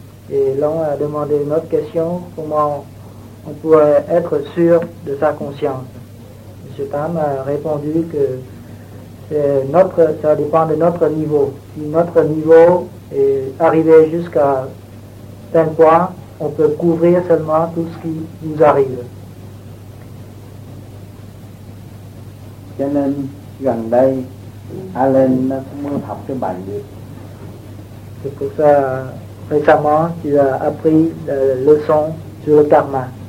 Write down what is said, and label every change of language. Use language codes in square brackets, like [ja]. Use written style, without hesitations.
[fr] Et l'on a demandé une autre question, comment on pourrait être sûr de sa conscience. Monsieur Tam a répondu que ça dépend de notre niveau. Si notre niveau est arrivé jusqu'à tel point, on peut couvrir seulement tout ce qui nous arrive. [vi] Cho nên gần đây Alan nó cũng muốn học cái bài được. [fr] C'est pour ça récemment qu'il a appris la leçon sur le karma.